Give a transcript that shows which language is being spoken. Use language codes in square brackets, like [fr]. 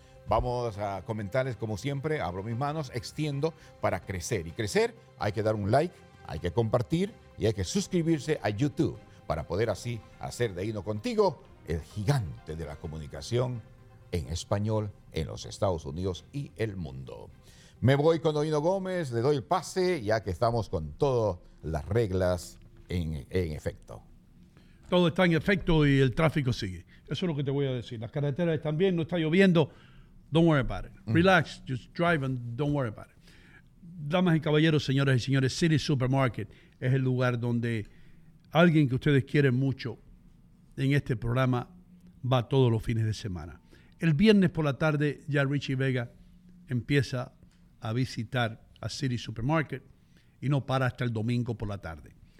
[es] Vamos a comentarles, como siempre, abro mis manos, extiendo para crecer. Y crecer hay que dar un like, hay que compartir y hay que suscribirse a YouTube para poder así hacer de Ino Contigo el gigante de la comunicación en español en los Estados Unidos y el mundo. Me voy con Ino Gomez, le doy el pase, ya que estamos con todas las reglas en efecto. Todo está en efecto y el tráfico sigue. Eso es lo que te voy a decir. Las carreteras están bien, no está lloviendo. Don't worry about it. [en] Relax, just drive and don't worry about it. [es] Damas y caballeros, señores y señores, City Supermarket es el lugar donde alguien que ustedes quieren mucho en este programa va todos los fines de semana. El viernes por la tarde ya Richie Vega empieza a visitar a City Supermarket y no para hasta el domingo por la tarde.